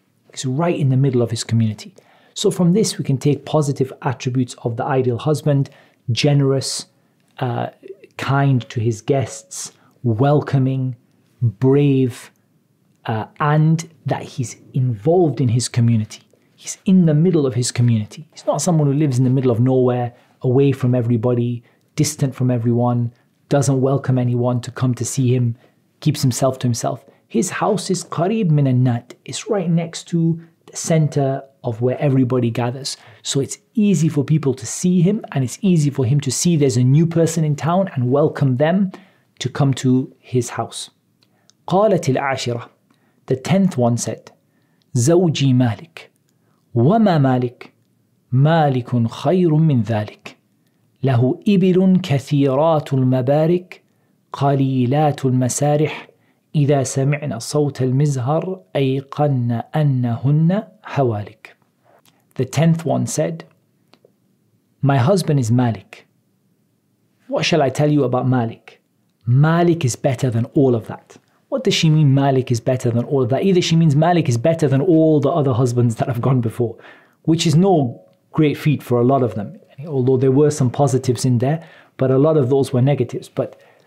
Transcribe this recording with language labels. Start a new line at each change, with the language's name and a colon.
English: He's right in the middle of his community. So from this, we can take positive attributes of the ideal husband: generous, kind to his guests, welcoming, brave, and that he's involved in his community. He's in the middle of his community. He's not someone who lives in the middle of nowhere, away from everybody, distant from everyone, doesn't welcome anyone to come to see him, keeps himself to himself. His house is
Arabic: قريب من النات.
English: It's right next to the center of where everybody gathers. So it's easy for people to see him, and it's easy for him to see there's a new person in town and welcome them to come to his house.
Arabic: قالت العاشرة,
English: the 10th one said,
Arabic: زوجي مالك وما مالك مالك خير من ذلك له إبل كثيرات المبارك قليلات المسارح إذا سمعنا صوت المزهر أيقن أنهن حوالك.
English: The 10th one said, my husband is Malik. What shall I tell you about Malik? Malik is better than all of that. What does she mean, Malik is better than all of that? Either she means Malik is better than all the other husbands that have gone before, which is no great feat for a lot of them, although there were some positives in there, but a lot of those were negatives. But